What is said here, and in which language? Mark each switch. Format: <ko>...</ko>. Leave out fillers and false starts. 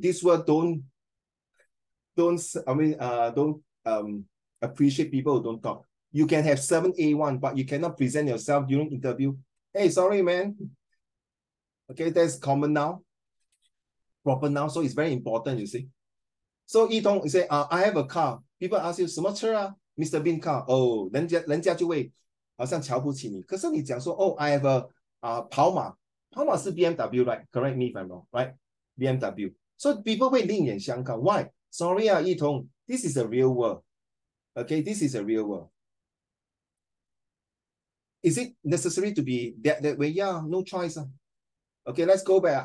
<en>This world don't appreciate people who don't talk. You can have 7A1, but you cannot present yourself during interview. Hey, sorry, man. Okay, that's common now. Proper now, so it's very important, you see. So, Yi Tong, you say, I have a car. People ask you,</en> <zh>什么车啊?</zh> <en>Mr. Bean car.</en> <zh>Oh, 人家就会好像瞧不起你。可是你讲说,</zh> <en>oh, I have a</en> <zh>跑马.</zh> <en>跑马是 BMW, right? Correct me if I'm wrong, right? BMW. So, people will</en> <zh>另眼相看.</zh> <en>Why? Sorry, Yi Tong, this is a real world. Okay, this is a real world. Is it necessary to be that way? Yeah, no choice. Okay, let's go back.</en>